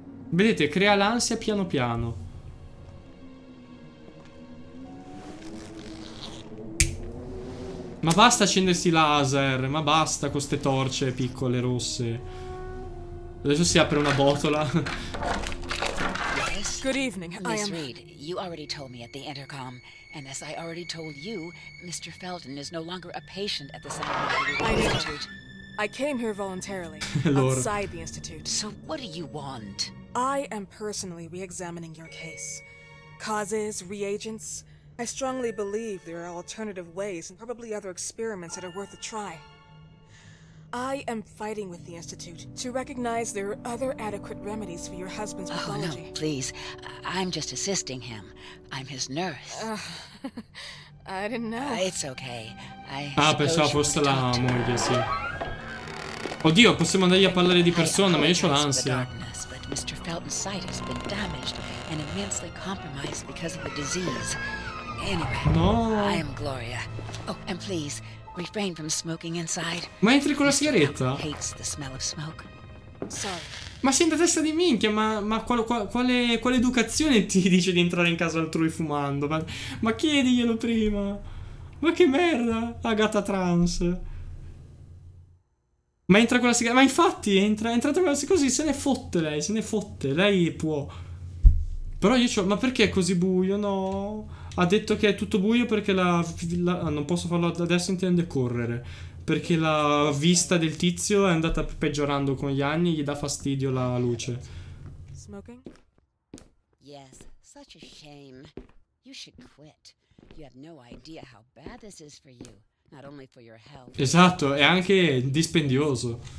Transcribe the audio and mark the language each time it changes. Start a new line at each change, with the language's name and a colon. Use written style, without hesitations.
Italian: Vedete, crea l'ansia piano piano. Ma basta accendersi laser, ma basta con ste torce piccole rosse. Adesso si apre una botola.
English: Good evening. Miss Reed, you already told me at the intercom, and as I already told you, Mr. Felton is no longer a patient at the Institute. I came here voluntarily, outside the Institute. So what do you want? I am personally re-examining your case. Causes, reagents. I strongly believe there are alternative ways and probably other experiments that are worth a try. I am fighting with the Institute to recognize there are other adequate remedies for your husband's pathology. Oh, no, please. I'm just assisting him. I'm his nurse. I didn't know. It's okay.
Italian: Pensavo fosse la moglie, sì. Oddio, possiamo andare a parlare di persona, ma io c'ho l'ansia.
English: Mr. Felton's sight has been damaged and immensely compromised because of the disease. Anyway, no. I am Gloria. Oh, and please, refrain from smoking inside.
Italian: Ma entri con la sigaretta?
English: Mr. Felton hates the smell of smoke. Sorry.
Italian: Ma sei una testa di minchia, ma quale educazione ti dice di entrare in casa altrui fumando? Ma chiediglielo prima. Ma che merda, Agatha Trans. Ma entra con la sigaretta. Ma infatti entrate con la sigaretta. Così se ne fotte. Lei può. Però io c'ho. Ma perché è così buio? No. Ha detto che è tutto buio perché non posso farlo adesso. Intende correre. Perché la vista del tizio è andata peggiorando con gli anni. Gli dà fastidio la luce.
English: Smoking? Yes, such a shame. You should quit. You have no idea how bad this is for you. Not only for your health.
Italian: Esatto, è anche dispendioso.